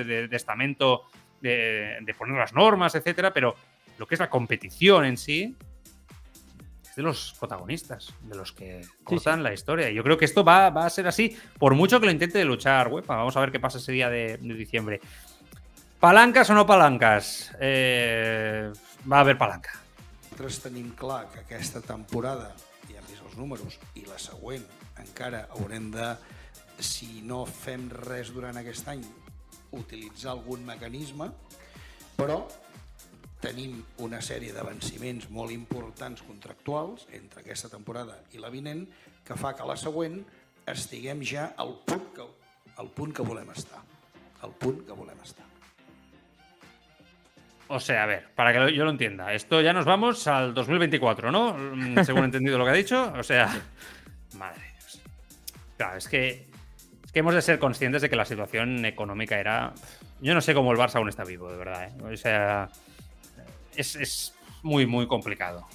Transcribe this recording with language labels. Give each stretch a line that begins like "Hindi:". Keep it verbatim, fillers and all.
Spanish: de, de, de estamento, de, de poner las normas, etcétera. Pero lo que es la competición en sí es de los protagonistas, de los que cortan sí, sí. la historia. Yo creo que esto va, va a ser así, por mucho que lo intente luchar. Uepa, vamos a ver qué pasa ese día de, de diciembre. ¿Palancas o no palancas? Eh, va a haver palanca.
Catalan: Nosaltres tenim clar que aquesta temporada, ja hem vist els números, i la següent encara haurem de, si no fem res durant aquest any, utilitzar algun mecanisme, però tenim una sèrie de venciments molt importants contractuals entre aquesta temporada i la vinent que fa que la següent estiguem ja al punt que, al punt que volem estar. Al punt que volem estar.
Spanish: O sea, a ver, para que yo lo entienda, esto ya nos vamos al dos mil veinticuatro, ¿no? Según he entendido lo que ha dicho. O sea, madre. Claro, es que, es que hemos de ser conscientes de que la situación económica era... Yo no sé cómo el Barça aún está vivo, de verdad, ¿eh? O sea... Es, es muy, muy complicado.